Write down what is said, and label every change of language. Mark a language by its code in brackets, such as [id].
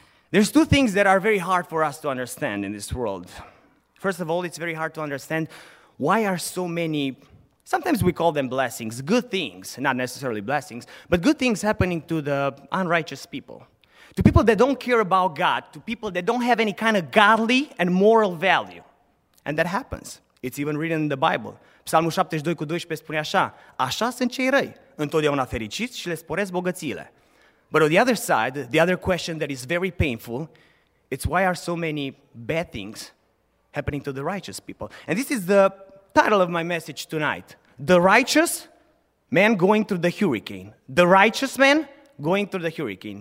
[en] There's two things that are very hard for us to understand in this world. First of all, it's very hard to understand why are so many, sometimes we call them blessings, good things, not necessarily blessings, but good things happening to the unrighteous people, to people that don't care about God, to people that don't have any kind of godly and moral value. And that happens. It's even written in the Bible. [ro] Psalmul 72 cu 12 spune așa, Așa sunt cei răi, întotdeauna fericiți și le sporesc bogățiile. [en] But on the other side, the other question that is very painful, it's why are so many bad things happening to the righteous people? And this is the title of my message tonight. The righteous man going through the hurricane. The righteous man going through the hurricane.